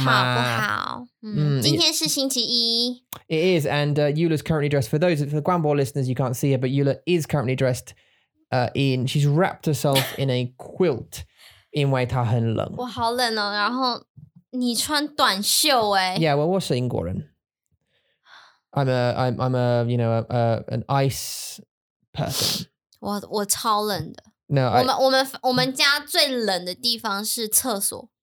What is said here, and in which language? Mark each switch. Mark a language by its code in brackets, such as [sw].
[zh] 今天你们好不好?今天是星期一。 [en] It is, and Yula's currently dressed. For the Guanbo listeners, you can't see her, but Yula is currently dressed she's wrapped herself in a quilt, 因为她很冷。 [zh] 我好冷哦,然后你穿短袖耶。 [en] Yeah, well, 我是英国人。 I'm an ice... person. [zh] 我超冷的。 [en] No, [zh] 我们家最冷的地方是厕所。